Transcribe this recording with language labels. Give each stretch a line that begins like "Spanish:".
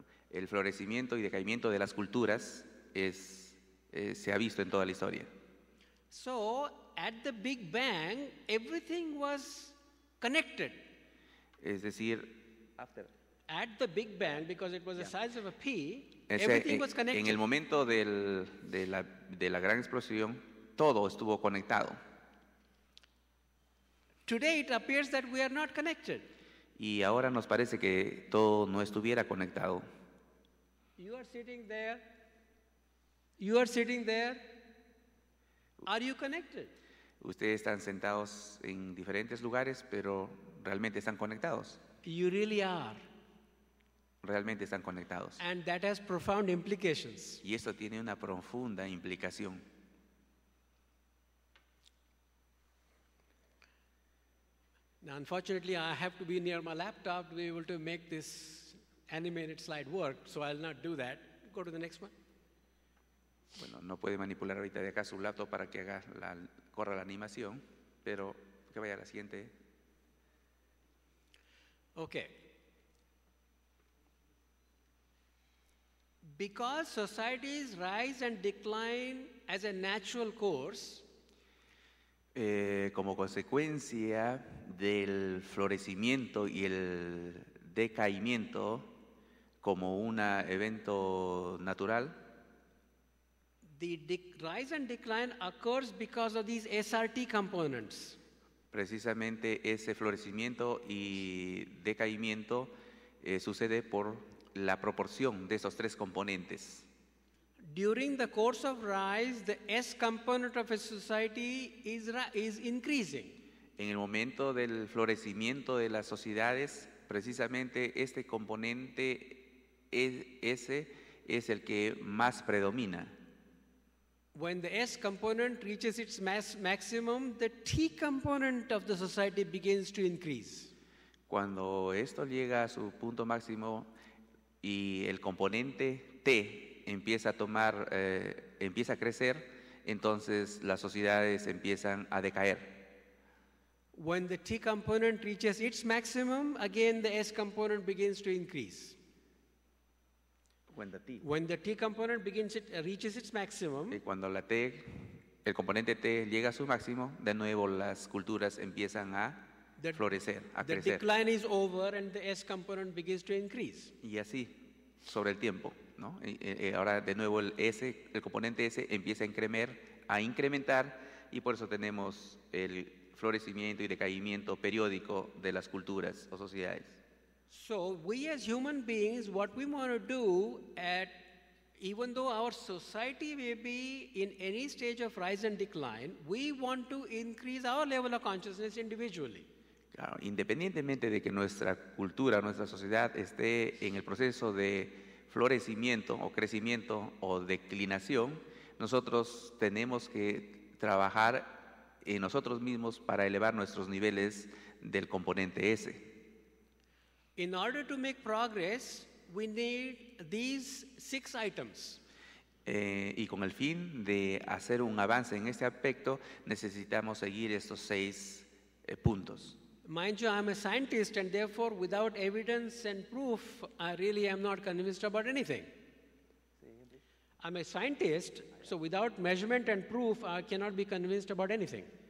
Spanish: el florecimiento y decaimiento de las culturas se ha visto en toda la historia.
English: So at the Big Bang, everything was connected.
Spanish: Es decir,
English: after. At the Big Bang, because it was the size of a pea, everything was connected.
Spanish: En el momento de la gran explosión, todo estuvo conectado.
English: Today it appears that we are not connected.
Spanish: Y ahora nos parece que todo no estuviera conectado.
English: You are sitting there. You are sitting there. Are you connected?
Spanish: Ustedes están sentados en diferentes lugares, pero realmente están conectados.
English: You really are.
Spanish: Realmente están conectados.
English: And that has profound implications.
Spanish: Y eso tiene una profunda implicación.
English: Now, unfortunately, I have to be near my laptop to be able to make this animated slide work, so I'll not do that. Go to the next one.
Spanish: Bueno, no puede manipular ahorita de acá su laptop para que haga corra la animación, pero que vaya a la siguiente.
English: Okay. Because societies rise and decline as a natural course,
Spanish: como consecuencia del florecimiento y el decaimiento como un evento natural,
English: the rise and decline occurs because of these SRT components.
Spanish: Precisamente ese florecimiento y decaimiento sucede por la proporción de esos tres componentes.
English: During the course of rise, the S component of a society is increasing.
Spanish: En el momento del florecimiento de las sociedades, precisamente este componente S es el que más predomina.
English: When the S component reaches its maximum, the T component of the society begins to increase.
Spanish: Cuando esto llega a su punto máximo, y el componente T empieza a crecer, entonces las sociedades empiezan a decaer.
English: When the T component reaches its maximum, again the S component begins to increase. When the T component reaches its maximum.
Spanish: Y cuando el componente T llega a su máximo, de nuevo las culturas empiezan a florecer, a crecer. The decline is over and the S component begins to increase. Y así. Sobre el tiempo, ¿no? Ahora de nuevo el componente S empieza a incrementar y por eso tenemos el florecimiento y decaimiento periódico de las culturas o sociedades.
English: So we as human beings, what we want to do even though our society may be in any stage of rise and decline, we want to increase our level of consciousness individually.
Spanish: Claro, independientemente de que nuestra cultura, nuestra sociedad esté en el proceso de florecimiento o crecimiento o declinación, nosotros tenemos que trabajar en nosotros mismos para elevar nuestros niveles del componente S.
English: In order to make progress, we need these six items.
Spanish: Y con el fin de hacer un avance en este aspecto, necesitamos seguir estos seis puntos.
English: Mind you, I'm a scientist, and therefore, without evidence and proof, I really am not convinced about anything. I'm a scientist, so without measurement and proof, I cannot be convinced about anything.